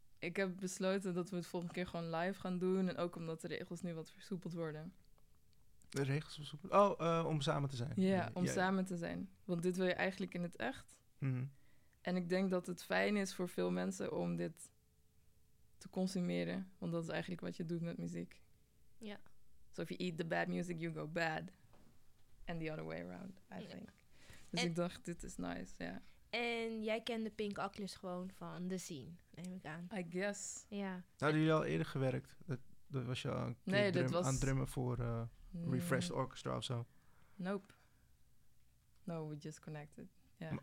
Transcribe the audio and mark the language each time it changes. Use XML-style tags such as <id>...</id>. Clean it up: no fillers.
<nl>Ik heb besloten dat we het volgende keer gewoon live gaan doen. En ook omdat de regels nu wat versoepeld worden. De regels versoepeld? Oh, om samen te zijn. Ja, om samen te zijn. Want dit wil je eigenlijk in het echt. Mm-hmm. En ik denk dat het fijn is voor veel mensen om dit te consumeren. Want dat is eigenlijk wat je doet met muziek. Ja.</nl> <en>So if you eat the bad music, you go bad. And the other way around, I think.</en> <nl>Ja. Dus ik dacht, dit is nice, ja. En jij kende Pink Oculus gewoon van de scene, neem ik aan.</nl> <en>I guess.</en> <nl>Ja. Hadden jullie al eerder gewerkt? Dat was je al een keer aan het drummen voor Refreshed Orchestra of zo?</nl> <en>Nope. No, we just connected. Yeah.</en>